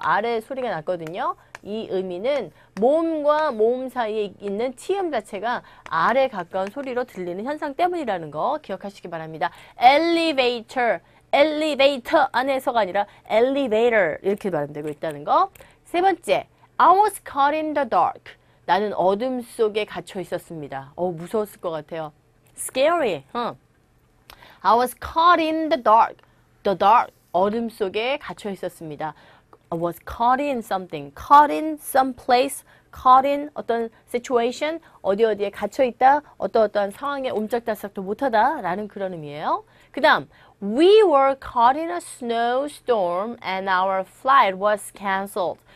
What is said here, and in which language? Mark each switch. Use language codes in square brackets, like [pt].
[ko] 아래 소리가 났거든요. 이 의미는 모음과 모음 사이에 있는 T음 자체가 아래 가까운 소리로 들리는 현상 때문이라는 거 기억하시기 바랍니다. 엘리베이터, 엘리베이터 안에서가 아니라 엘리베이터 이렇게 발음되고 있다는 거. 세 번째, [en] I was caught in the dark. [ko] 나는 어둠 속에 갇혀 있었습니다. 무서웠을 것 같아요. [en] Scary, 응. I was caught in the dark. The dark. [ko] 어둠 속에 갇혀 있었습니다. [en] I was caught in something. Caught in some place. Caught in [ko] 어떤 [en] situation. [ko] 어디 어디에 갇혀 있다. 어떠어떠한 상황에 옴짝달싹도 못하다라는 그런 의미예요. 그다음, [en] We were caught in a snowstorm and our flight was canceled.